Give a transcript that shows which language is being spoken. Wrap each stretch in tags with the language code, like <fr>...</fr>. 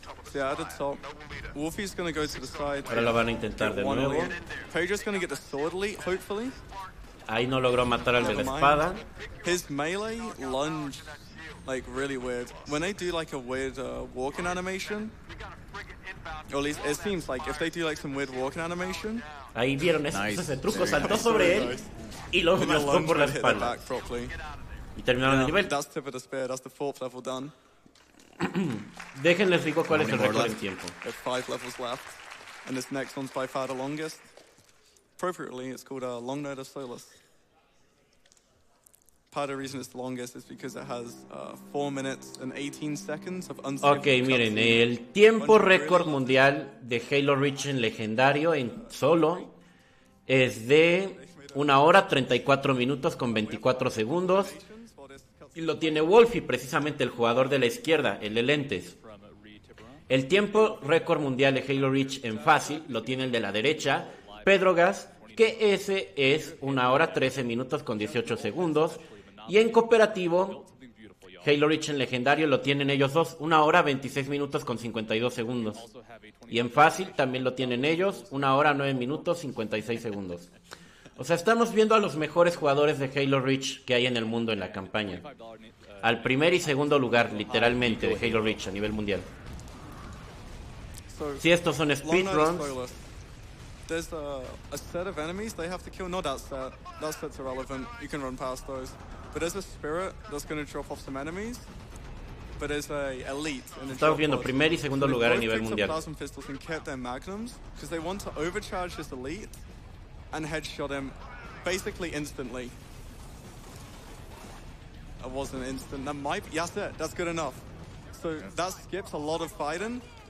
<en>So yeah, at the top, Wolfie's gonna go to the side.</en> <es>Ahora lo van a intentar de nuevo.</es> <en>Pedro's gonna get the sword elite, hopefully.</en> <es>Ahí no logró matar al de la espada.</es> <en>His melee lunge, like, really weird. When they do, like, a weird walking animation, or at least it seems like if they do, like, some weird walking animation.</en> <es>Ahí vieron ese truco, saltó sobre él y lo mató por la espalda. Y terminaron el nivel.</es> <en>That's tip of the spear, that's the fourth level done.</en> <es>Déjenles digo cuál es el récord en tiempo.</es> <en>There's five levels left, and this next one's by far the longest. Appropriately, it's called a long note of Solus. Part of the reason it's the longest is because it has 4 minutes and 18 seconds of unsafe.</en> <es>Okay, miren, el tiempo récord mundial de Halo Reach en legendario en solo es de 1 hora 34 minutos con 24 segundos. Y lo tiene Wolfie, precisamente el jugador de la izquierda, el de lentes. El tiempo récord mundial de Halo Reach en fácil lo tiene el de la derecha, Pedro Gas, que ese es 1 hora 13 minutos con 18 segundos. Y en cooperativo, Halo Reach en legendario lo tienen ellos dos, 1 hora 26 minutos con 52 segundos. Y en fácil también lo tienen ellos, 1 hora 9 minutos 56 segundos. O sea, estamos viendo a los mejores jugadores de Halo Reach que hay en el mundo en la campaña. Al primer y segundo lugar, literalmente, de Halo Reach a nivel mundial. Si estos son speedruns.</es> <en>There's a set of enemies they have to kill. No, that's irrelevant. You can run past those. But there's a spirit that's going to drop off some enemies. But there's a elite.</en> <es>Estamos viendo primer y segundo lugar a nivel mundial.</es> <en>They both picked up plasma pistols and kept their magnums because they want to overcharge this elite and headshot him basically instantly. That wasn't instant. That might be, yes, that's good enough. So that skips a lot of fighting.</en>